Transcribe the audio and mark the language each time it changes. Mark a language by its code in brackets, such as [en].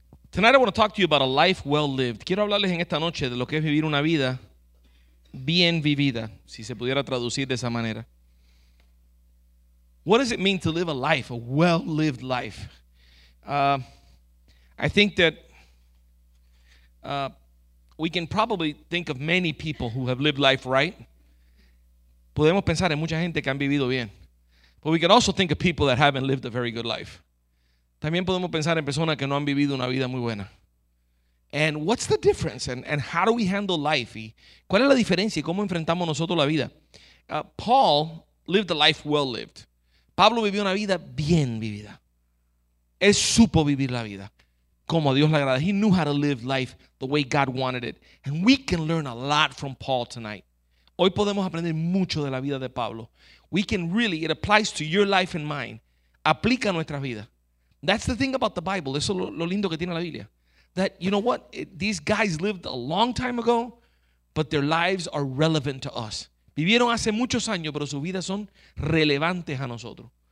[en] Tonight I want to talk to you about a life well lived. [es] Quiero hablarles en esta noche de lo que es vivir una vida bien vivida, si se pudiera traducir de esa manera. [en] What does it mean to live a life, a well lived life? I think that we can probably think of many people who have lived life right. [es] Podemos pensar en mucha gente que han vivido bien. [en] But we can also think of people that haven't lived a very good life. [es] También podemos pensar en personas que no han vivido una vida muy buena. [en] And what's the difference? And how do we handle life? [es] ¿Y cuál es la diferencia y cómo enfrentamos nosotros la vida? [en] Paul lived a life well lived. [es] Pablo vivió una vida bien vivida. Él supo vivir la vida como Dios le agrada. [en] He knew how to live life the way God wanted it. And we can learn a lot from Paul tonight. [es] Hoy podemos aprender mucho de la vida de Pablo. [en] We can really, it applies to your life and mine. [es] Aplica nuestra vida. [en] That's the thing about the Bible. [es] Eso es lo lindo que tiene la Biblia. [en] That, you know what? These guys lived a long time ago, but their lives are relevant to us. [es] Vivieron hace muchos años, pero sus vidas son relevantes a nosotros.